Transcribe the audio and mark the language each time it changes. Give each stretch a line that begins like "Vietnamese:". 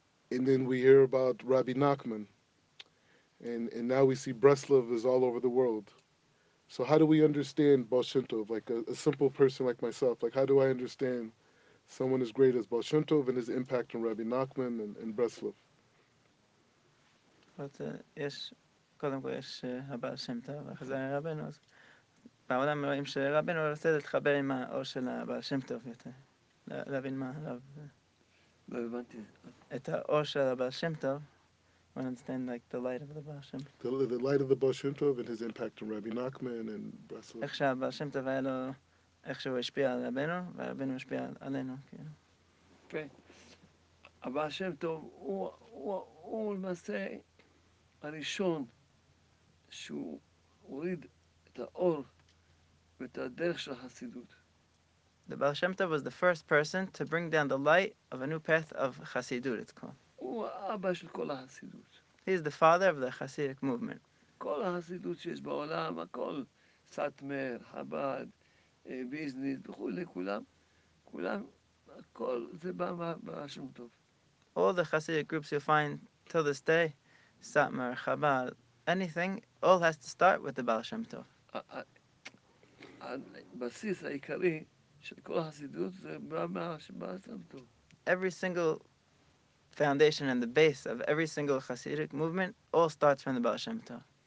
English: And then we hear about Rabbi Nachman, and now we see Breslov is all over the world. So how do we understand Baal Shem Tov, like a simple person like myself? Like, how do I understand someone as great as Baal Shem Tov and his impact on Rabbi Nachman and Breslov?
Hebrew: But yes, קודם כל יש הבעל שם טוב, החזר רבנו, אז בעולם רואים שרבנו רוצה להתחבר עם האור של הבעל שם טוב יותר, להבין מה הרב... לא הבנתי. את האור של הבעל שם טוב,
English: we understand like the light of the Baal Shem Tov. The light of the Baal Shem Tov and his impact on Rabbi Nachman and Breslov.
Hebrew: איך שהבעל שם טוב היה לו, איך שהוא השפיע על רבנו, והרבנו השפיע עלינו, כאילו. כן. הבעל שם טוב הוא למעשה הראשון שהוא הוריד את האור ואת הדרך של החסידות.
English: The Baal Shem Tov was the first person to bring down the light of a new path of חסידות, it's called.
Hebrew: הוא האבא של כל החסידות.
English: He's the father of the Hasidic movement.
Hebrew: כל החסידות שיש בעולם, הכל, סאטמר, חב"ד, ביזנס, וכולי, כולם, הכל זה בא מהבעל שם טוב.
English: All the Hasidic groups you'll find till this day, סאטמר, חב"ד, anything, all has to start with the Baal Shem Tov.
Hebrew: הבסיס העיקרי של כל החסידות זה בא מהבעל שם טוב.
English: Every single foundation and the base of every single Hasidic movement all starts from the Baal Shem Tov.